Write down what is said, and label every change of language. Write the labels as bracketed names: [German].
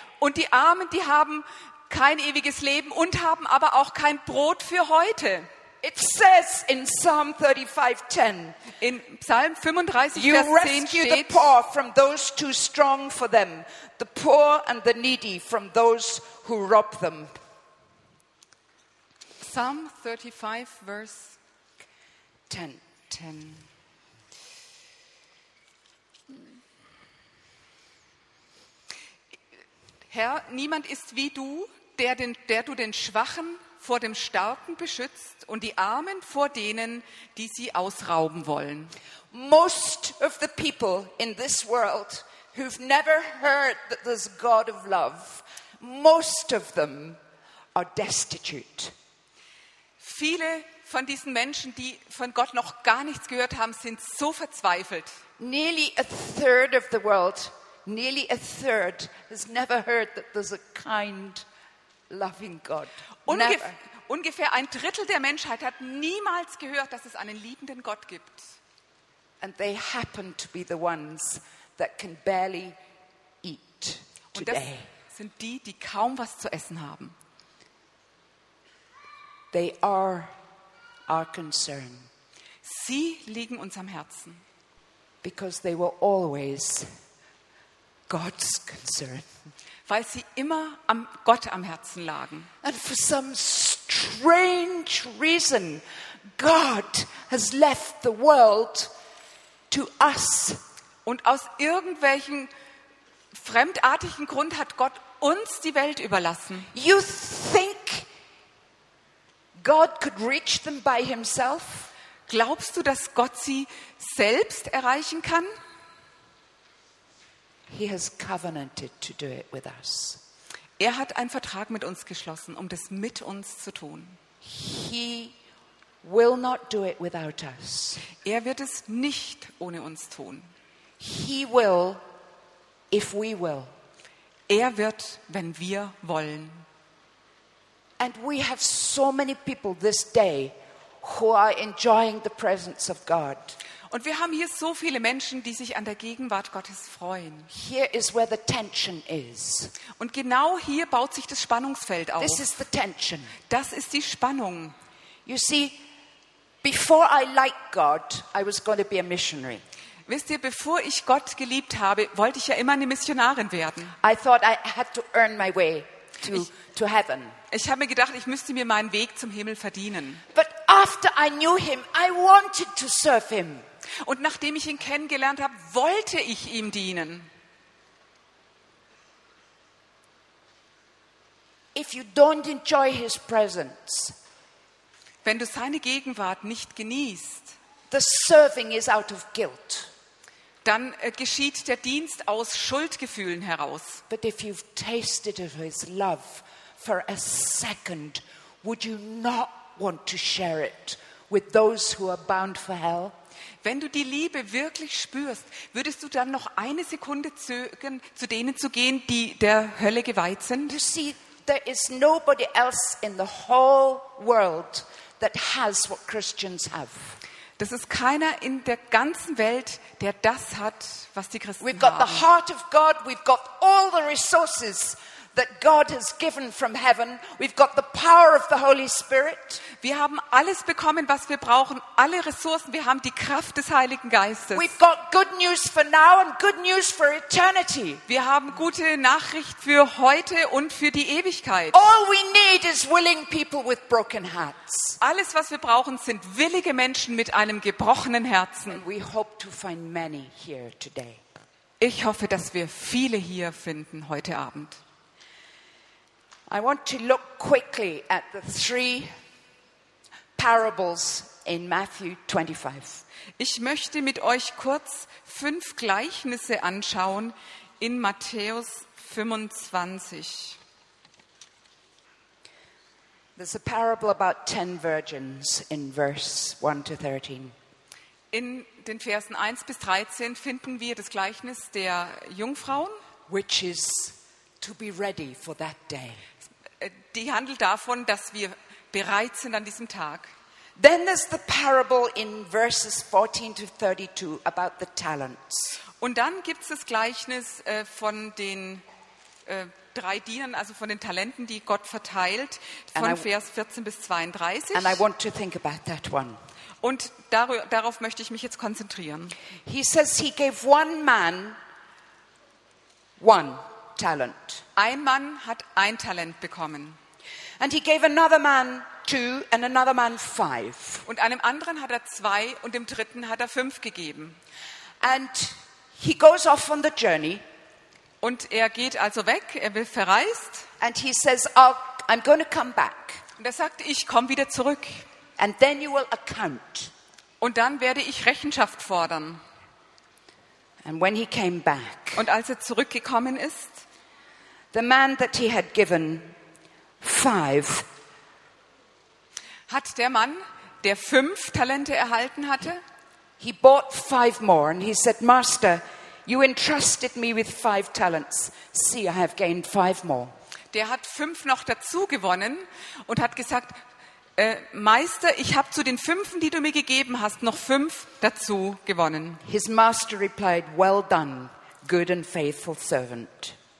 [German] Und die Armen, die haben kein ewiges Leben und haben aber auch kein Brot für heute. [English] It says in Psalm 35:10. [German] In Psalm 35, Vers 10 steht: [English] You rescue the poor from those too strong for them, the poor and the needy from those who rob them. Psalm 35, verse 10. [German] Herr, niemand ist wie du, der du den Schwachen vor dem Starken beschützt und die Armen vor denen, die sie ausrauben wollen. [English] Most of the people in this world who've never heard that there's a God of love, most of them are destitute. [German] Viele von diesen Menschen, die von Gott noch gar nichts gehört haben, sind so verzweifelt. [English] Nearly a third of the world, nearly a third has never heard that there's a kind loving God. [German] Ungefähr ein Drittel der Menschheit hat niemals gehört, dass es einen liebenden Gott gibt. [English] And they happen to be the ones that can barely eat today. [German] Und das sind die, die kaum was zu essen haben. [English] They are our concern. [German] Sie liegen uns am Herzen. [English] Because they were always God's concern. [German] Weil sie immer am Gott am Herzen lagen. [English] And for some strange reason, God has left the world to us. [German] Und aus irgendwelchen fremdartigen Grund hat Gott uns die Welt überlassen. [English] You think God could reach them by himself? [German] Glaubst du, dass Gott sie selbst erreichen kann? [English] He has covenanted to do it with us. [German] Er hat einen Vertrag mit uns geschlossen, um das mit uns zu tun. [English] He will not do it without us. [German] Er wird es nicht ohne uns tun. [English] He will, if we will. [German] Er wird, wenn wir wollen. [English] And we have so many people this day who are enjoying the presence of God. [German] Und wir haben hier so viele Menschen, die sich an der Gegenwart Gottes freuen. [English] Here is where the tension is. [German] Und genau hier baut sich das Spannungsfeld auf. [English] This is the tension. [German] Das ist die Spannung. [English] You see, Before I liked God, I was going to be a missionary. [German] Wisst ihr, bevor ich Gott geliebt habe, wollte ich ja immer eine Missionarin werden. [English] I thought I had to earn my way to heaven. [German] Ich habe mir gedacht, ich müsste mir meinen Weg zum Himmel verdienen. [English] But after I knew him, I wanted to serve him. [German] Und nachdem ich ihn kennengelernt habe, wollte ich ihm dienen. [English] If you don't enjoy his presence, [German] wenn du seine Gegenwart nicht genießt, [English] the serving is out of guilt. [German] Dann geschieht der Dienst aus Schuldgefühlen heraus. [English] But if you've tasted of his love for a second, would you not want to share it with those who are bound for hell? [German] Wenn du die Liebe wirklich spürst, würdest du dann noch eine Sekunde zögern, zu denen zu gehen, die der Hölle geweiht sind? [English] You see, there is nobody else in the whole world that has what Christians have. [German] Das ist keiner in der ganzen Welt, der das hat, was die Christen haben. [English] We've got the heart of God, we've got all the resources that God has given from heaven. We've got the power of the Holy Spirit. [German] Wir haben alles bekommen, was wir brauchen, alle Ressourcen, wir haben die Kraft des Heiligen Geistes. [English] We've got good news for now and good news for eternity. [German] Wir haben gute Nachricht für heute und für die Ewigkeit. [English] All we need is willing people with broken hearts. [German] Alles was wir brauchen, sind willige Menschen mit einem gebrochenen Herzen. [English] We hope to find many here today. [German] Ich hoffe, dass wir viele hier finden heute Abend. [English] I want to look quickly at the three parables in Matthew 25. [German] Ich möchte mit euch kurz fünf Gleichnisse anschauen in Matthäus 25. [English] There's a parable about 10 virgins in verse 1 to 13. [German] In den Versen 1 bis 13 finden wir das Gleichnis der Jungfrauen, [English] which is to be ready for that day. [German] Die handelt davon, dass wir bereit sind an diesem Tag. [English] Then there's the parable in verses 14 to 32 about the talents. [German] Und dann gibt's das Gleichnis von den drei Dienern, also von den Talenten, die Gott verteilt, von Vers 14 bis 32. [English] And I want to think about that one. [German] Und darauf möchte ich mich jetzt konzentrieren. [English] He says he gave one man one talent. [German] Ein Mann hat ein Talent bekommen. [English] And he gave another man two and another man five. [German] Und einem anderen hat er zwei und dem dritten hat er fünf gegeben. [English] And he goes off on the journey. [German] Und er geht also weg, er will verreist. [English] And he says, I'm going to come back. [German] Und er sagt, ich komme wieder zurück. [English] And then you will account. [German] Und dann werde ich Rechenschaft fordern. [English] And when he came back, [German] und als er zurückgekommen ist, [English] the man that he had given five, [German] hat der Mann, der fünf Talente erhalten hatte, [English] he bought five more and he said, Master, you entrusted me with five talents. See, I have gained five more. [German] Der hat fünf noch dazu gewonnen und hat gesagt, Meister, ich habe zu den fünfen, die du mir gegeben hast, noch fünf dazu gewonnen. [English] His master replied, well done, good and faithful servant.